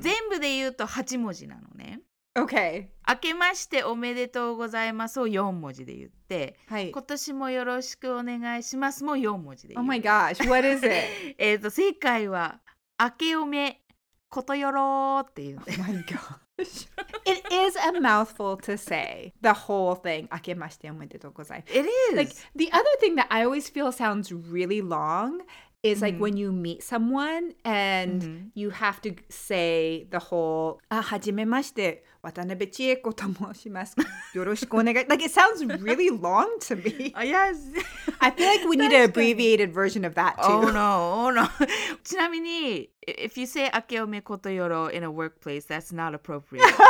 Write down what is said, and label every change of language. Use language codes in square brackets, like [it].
[ja] 全部で言うと8文字なのね。 [en] Okay. [ja] 明けましておめでとうございますを4文字で言って、はい、今年もよろしくお願いしますも4文字で言う。 [en] Oh my gosh, what is it? [ja] 正解は、明けおめことよろっていう。 [en] Oh my god. It is a mouthful to say the whole thing. [ja] Ake mashite omedetou gozaimasu. [en] It is. Like, the other thing that I always feel sounds really long is like when you meet someone and you have to say the whole, ah, [ja] hajime mashite 渡辺千恵子と申します。よろしくお願い。 [en] Like, it sounds really long to me. Yes. I feel like we need an abbreviated version of that, too. Oh, no. Oh, no. [ja] ちなみに、 [en] if you say 明けおめことよろ in a workplace, that's not appropriate.